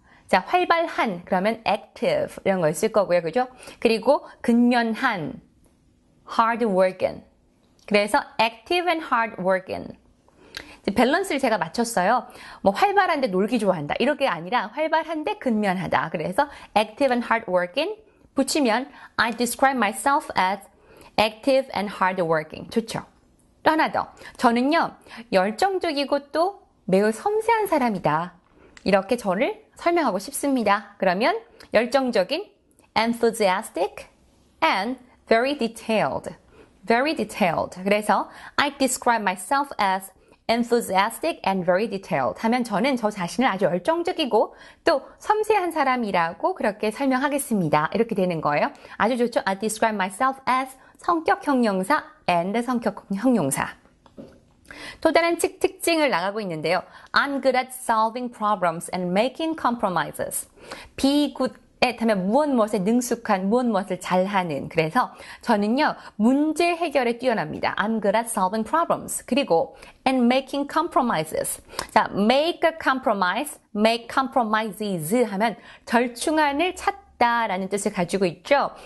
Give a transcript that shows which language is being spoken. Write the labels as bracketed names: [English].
[Korean] 자, 활발한. 그러면 active. 이런 걸쓸 거고요. 그죠? 그리고 근면한. hardworking. [English] 그래서 active and hardworking. [Korean] 밸런스를 제가 맞췄어요. 뭐 활발한데 놀기 좋아한다. 이렇게 아니라 활발한데 근면하다. [English] 그래서 active and hardworking 붙이면 I describe myself as active and hardworking. [Korean] 좋죠? 또 하나 더. 저는요, 열정적이고 또 매우 섬세한 사람이다. 이렇게 저를 설명하고 싶습니다. 그러면 열정적인, [English] enthusiastic and very detailed. Very detailed. [Korean] 그래서 [English] I describe myself as enthusiastic and very detailed [Korean] 하면 저는 저 자신을 아주 열정적이고 또 섬세한 사람이라고 그렇게 설명하겠습니다. 이렇게 되는 거예요. 아주 좋죠? [English] I describe myself as [Korean] 성격 형용사 [English] and 성격 형용사. [Korean] 또 다른 특징을 나가고 있는데요. [English] I'm good at solving problems and making compromises. Be good at [Korean] 하면 무엇무엇에 능숙한, 무엇무엇을 잘하는. 그래서 저는요, 문제 해결에 뛰어납니다. [English] I'm good at solving problems. [Korean] 그리고 [English] and making compromises. [Korean] 자, [English] make a compromise, make compromises [Korean] 하면 절충안을 찾다라는 뜻을 가지고 있죠.